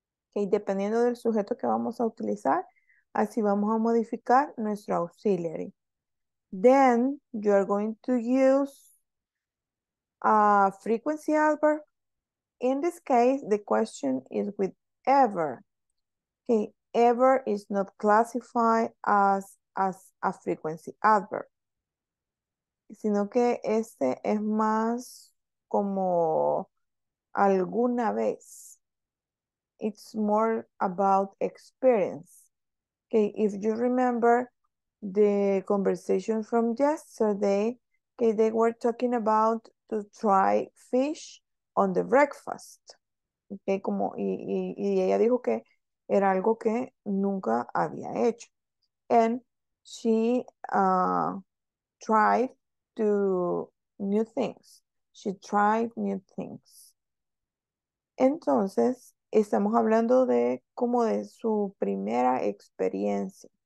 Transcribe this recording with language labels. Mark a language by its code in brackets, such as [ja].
[es] Okay, dependiendo del sujeto que vamos a utilizar, así vamos a modificar nuestro auxiliary. [en] Then, you are going to use a frequency adverb. In this case, the question is with ever. Okay. Ever is not classified as a frequency adverb, [es] sino que este es más como alguna vez. [en] It's more about experience. Okay, if you remember the conversation from yesterday, okay, they were talking about to try fish on the breakfast. [es] Okay, como y ella dijo que era algo que nunca había hecho. [en] And she tried to new things. She tried new things. [es] Entonces, estamos hablando de como de su primera experiencia.